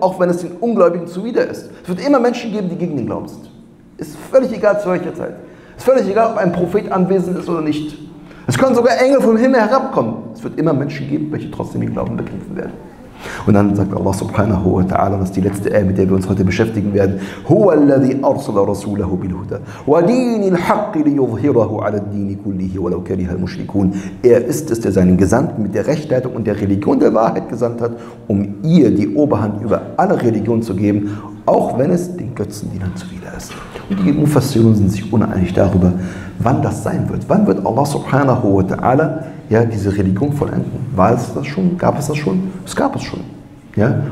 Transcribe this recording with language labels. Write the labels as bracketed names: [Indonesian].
[German] Auch wenn es den Ungläubigen zuwider ist. Es wird immer Menschen geben, die gegen den Glauben sind. Ist völlig egal zu welcher Zeit. Ist völlig egal, ob ein Prophet anwesend ist oder nicht. Es können sogar Engel vom Himmel herabkommen. Es wird immer Menschen geben, welche trotzdem den Glauben bekämpfen werden. Und dann sagt Allah subhanahu wa ta'ala, das ist die letzte Ayah, mit der wir uns heute beschäftigen werden. [Arabic] هو الذي أرسل رسوله بالهدى ودين الحق ليظهره على الدين كله ولو كره المشركون. [German] Er ist es, der seinen Gesandten mit der Rechtleitung und der Religion der Wahrheit gesandt hat, um ihr die Oberhand über alle Religionen zu geben, auch wenn es den Götzendienern zuwider ist. Und die Mufassirun sind sich uneinig darüber, wann das sein wird. Wann wird Allah subhanahu wa ta'ala ja, diese Religion vollenden? War es das schon? Gab es das schon? Es gab es schon. Ja?